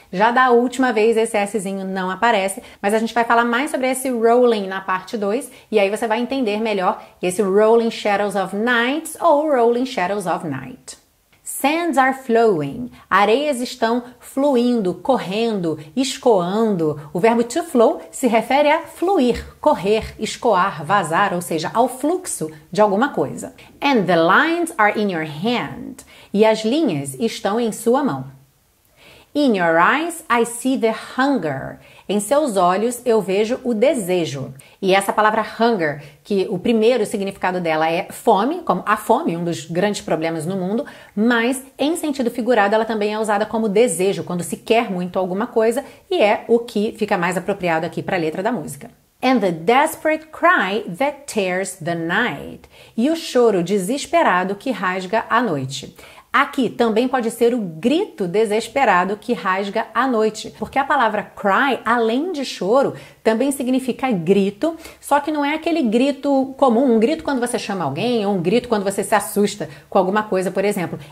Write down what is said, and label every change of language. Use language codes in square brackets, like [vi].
[pt] Já da última vez, esse Szinho não aparece, mas a gente vai falar mais sobre esse rolling na parte 2, e aí você vai entender melhor esse [en] rolling shadows of nights [pt] ou [en] rolling shadows of night. Sands are flowing. [pt] Areias estão fluindo, correndo, escoando. O verbo to flow se refere a fluir, correr, escoar, vazar, ou seja, ao fluxo de alguma coisa. [en] And the lines are in your hand. [pt] E as linhas estão em sua mão. [en] In your eyes, I see the hunger. [pt] Em seus olhos, eu vejo o desejo. E essa palavra hunger, que o primeiro significado dela é fome, como a fome, um dos grandes problemas no mundo, mas em sentido figurado, ela também é usada como desejo, quando se quer muito alguma coisa, e é o que fica mais apropriado aqui para a letra da música. [en] And the desperate cry that tears the night. [pt] E o choro desesperado que rasga a noite. Aqui também pode ser o grito desesperado que rasga a noite, porque a palavra cry, além de choro, também significa grito, só que não é aquele grito comum, um grito quando você chama alguém, ou um grito quando você se assusta com alguma coisa, por exemplo.